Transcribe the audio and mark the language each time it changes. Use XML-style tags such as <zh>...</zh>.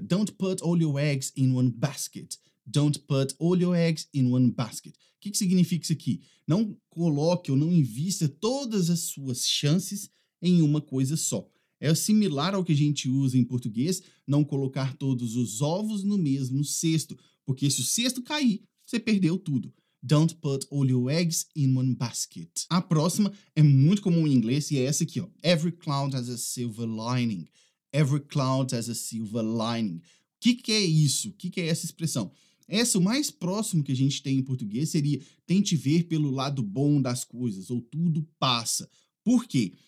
<en>Don't put all your eggs in one basket. Don't put all your eggs in one basket.</en> <pt>O que significa isso aqui? Não coloque ou não invista todas as suas chances em uma coisa só. É similar ao que a gente usa em português, não colocar todos os ovos no mesmo cesto, porque se o cesto cair, você perdeu tudo.</pt> <en>Don't put all your eggs in one basket.</en> <pt>A próxima é muito comum em inglês e é essa aqui, ó.</pt> <en>Every cloud has a silver lining. Every cloud has a silver lining.</en> <pt>O que é isso? O que é essa expressão? Essa, o mais próximo que a gente tem em português seria tente ver pelo lado bom das coisas, ou tudo passa. Por quê?</pt>